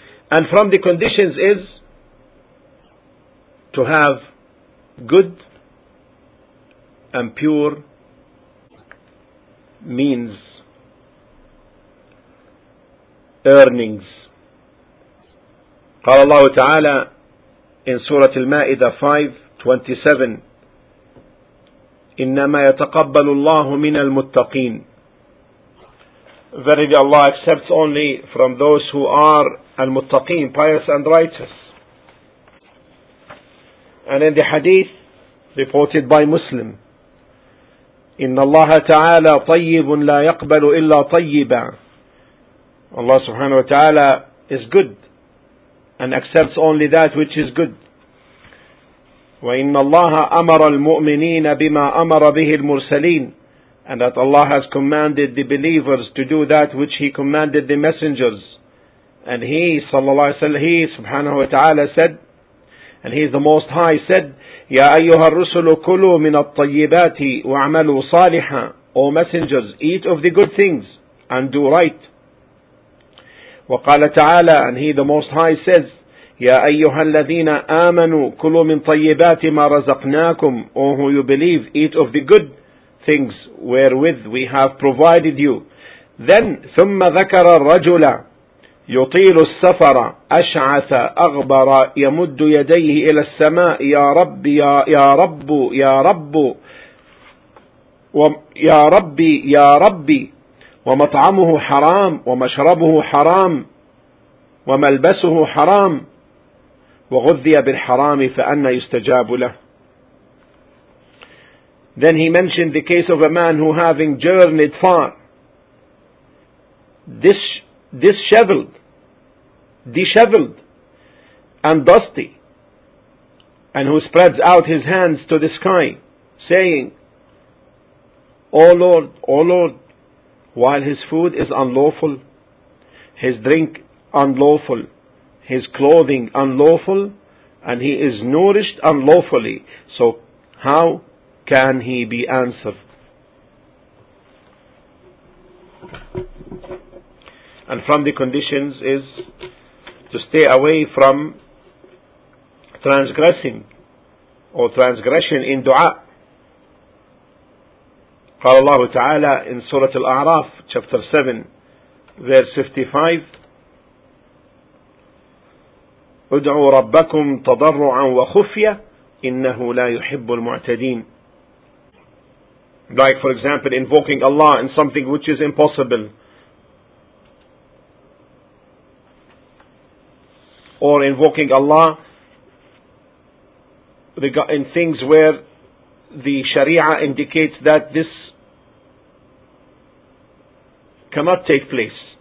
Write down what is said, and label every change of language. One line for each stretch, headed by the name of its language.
English: And from the conditions is to have good and pure means, earnings.
Arabic: قال الله تعالى
English: in Surah Al-Ma'idah 5:27,
Arabic: إنما يتقبل الله من المتقين.
English: Verily Allah accepts only from those who are المتقين, pious and righteous. And in the hadith reported by Muslim,
Arabic: إن الله تعالى طيب لا يقبل إلا طيبا.
English: Allah subhanahu wa ta'ala is good and accepts only that which is good.
Arabic: وَإِنَّ اللَّهَ أَمَرَ الْمُؤْمِنِينَ بِمَا أَمَرَ بِهِ الْمُرْسَلِينَ,
English: and that Allah has commanded the believers to do that which He commanded the messengers. And He, sallallahu alayhi wa sallam, He subhanahu wa ta'ala said, and He the Most High said,
Arabic: يَا أَيُّهَا الرُّسُلُ كُلُوا مِنَ الطَّيِّبَاتِ وَعْمَلُوا صَالِحًا.
English: O messengers, eat of the good things and do right.
Arabic: وقال تعالى,
English: and He the Most High says,
Arabic: يَا أَيُّهَا الَّذِينَ آمَنُوا كُلُوا مِنْ طَيِّبَاتِ مَا رَزَقْنَاكُمْ.
English: O who you believe, eat of the good things wherewith we have provided you. Then,
Arabic: ثُمَّ ذَكَرَ الرَّجُلَ, يطيل السفر أشعث أغبر يمد يديه إلى السماء يا رب يا رب يا رب يا ربي يا ربي، ومطعمه حرام ومشربه حرام وملبسه حرام وغذي بالحرام فأنى يستجاب له.
English: Then he mentioned the case of a man who having journeyed far, disheveled and dusty, and who spreads out his hands to the sky saying, O Lord, while his food is unlawful, his drink unlawful, his clothing unlawful, and he is nourished unlawfully, so how can he be answered? And from the conditions is to stay away from transgressing or transgression in dua.
Arabic: قال الله تعالى
English: in Surah Al-A'raf chapter 7 verse 55,
Arabic: ادعوا ربكم تضرعا وخفيا إنه لا يحب المعتدين.
English: Like for example invoking Allah in something which is impossible, or invoking Allah in things where the Sharia indicates that this cannot take place.